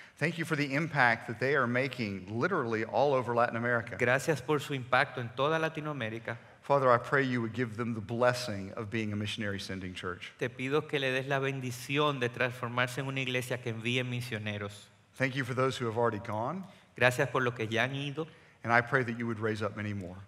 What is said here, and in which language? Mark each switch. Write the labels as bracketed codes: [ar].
[en] Thank you for the impact that they are making literally all over Latin America. [es] Gracias por su impacto en toda Latinoamérica. [en] Father, I pray you would give them the blessing of being a missionary sending church. [es] Te pido que le des la bendición de transformarse en una iglesia que envíe misioneros. [en] Thank you for those who have already gone. [es] Gracias por lo que ya han ido. [en] And I pray that you would raise up many more.